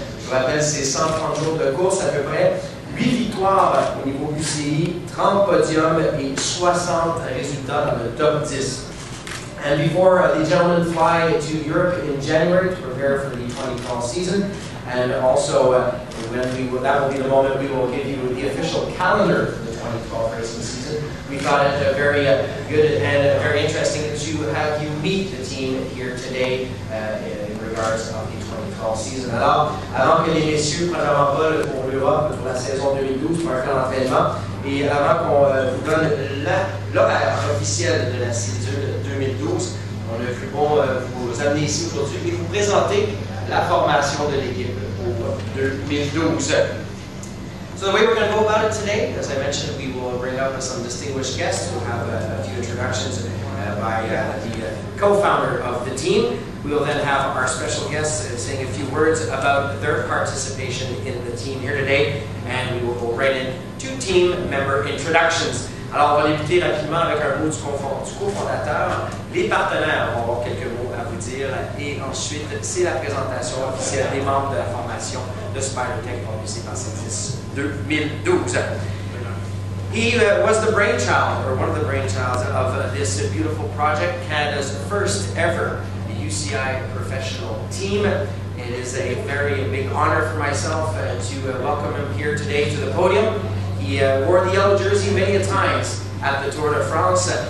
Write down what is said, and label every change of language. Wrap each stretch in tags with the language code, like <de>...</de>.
<fr>Je vous rappelle, c'est 130 jours de course à peu près. 8 victoires au niveau UCI, 30 podiums et 60 résultats dans le top 10.</fr> <en>And before the gentlemen fly to Europe in January to prepare for the 2012 season, and also that will be the moment we will give you the official calendar for the 2012 racing season, we thought it very good and very interesting to have you meet the team here today in regards to the 2012 season.</en> <fr>Alors que les messieurs prennent un vol pour l'Europe pour la saison 2012 pour faire l'entraînement, et avant qu'on vous donne l'horaire officiel de la saison 2012, on a cru bon vous amener ici aujourd'hui et vous présenter la formation de l'équipe pour 2012.</fr> <en>So the way we're going to go about it today, as I mentioned, we will bring up some distinguished guests. We'll have a few introductions by the co-founder of the team. We will then have our special guests saying a few words about their participation in the team here today, and we will go right into team member introductions.</en> <fr>Alors, on va débuter rapidement avec un mot du cofondateur. Les partenaires vont avoir quelques mots à vous dire. Et ensuite, c'est la présentation officielle des membres de la formation de SpiderTech pour le C10 2012.</fr> <en>He was the brainchild, or one of the brainchilds, of this beautiful project, Canada's first ever UCI professional team. It is a very big honor for myself to welcome him here today to the podium. He wore the yellow jersey many a times at the Tour de France.</en>